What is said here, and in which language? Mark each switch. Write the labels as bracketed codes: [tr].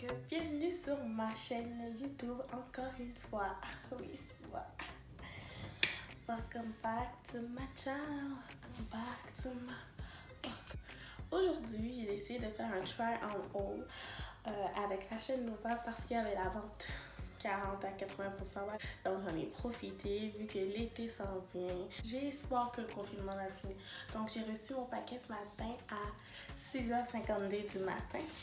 [fr] Bienvenue sur ma chaîne YouTube encore une fois. Oui, c'est moi. [en] Welcome back to my channel. Welcome back to my. [fr] Aujourd'hui, j'ai essayé de faire un try-on-haul avec la chaîne Nova parce qu'il y avait la vente 40 à 80%. Donc, j'en ai profité vu que l'été s'en vient. J'ai espoir que le confinement va finir. Donc, j'ai reçu mon paquet ce matin à 6h52 du matin.